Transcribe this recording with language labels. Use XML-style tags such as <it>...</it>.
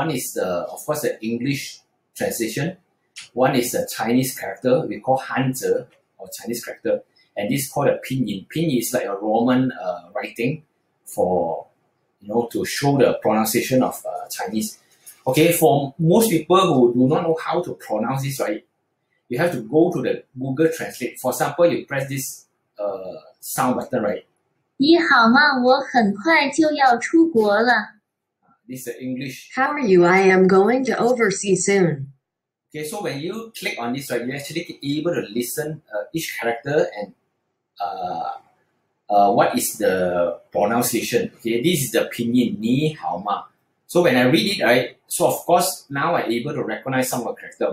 <en>One is, of course, the English translation. One is a Chinese character we call Hanzi, or Chinese character, and this is called a pinyin. Pinyin is like a Roman writing for, you know, to show the pronunciation of Chinese. Okay, for most people who do not know how to pronounce this, right, you have to go to the Google Translate. For example, you press this sound button, right?</en> <zh>你好吗？我很快就要出国了.</zh> <en>This is the English. How are you? I am going to overseas soon. Okay, so when you click on this, right, you're actually able to listen each character and what is the pronunciation. Okay, this is the pinyin,</en> <zh>你好吗?</zh> <en>So when I read it, right, so of course now I'm able to recognize some of the character.</en>